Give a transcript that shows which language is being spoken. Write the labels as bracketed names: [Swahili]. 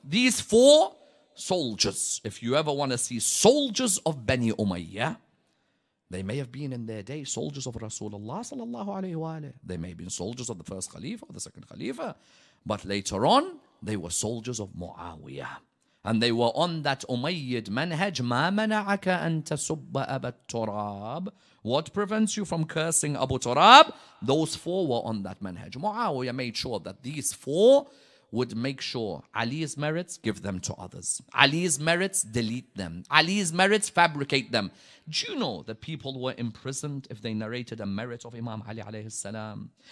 [English] These four soldiers, if you ever want to see soldiers of Bani Umayyah, they may have been in their day soldiers of Rasulullah sallallahu alayhi wa alayhi. They may have been soldiers of the first Khalifa or the second Khalifa. But later on, they were soldiers of Muawiyah. And they were on that Umayyad manhaj. [Arabic] مَا مَنَعَكَ أَن تَسُبَّ أَبَا التُرَابِ. [English] What prevents you from cursing Abu Turab? Those four were on that manhaj. Muawiyah made sure that these four would make sure Ali's merits, give them to others. Ali's merits, delete them. Ali's merits, fabricate them. Do you know that people were imprisoned if they narrated a merit of Imam Ali alayhi salam?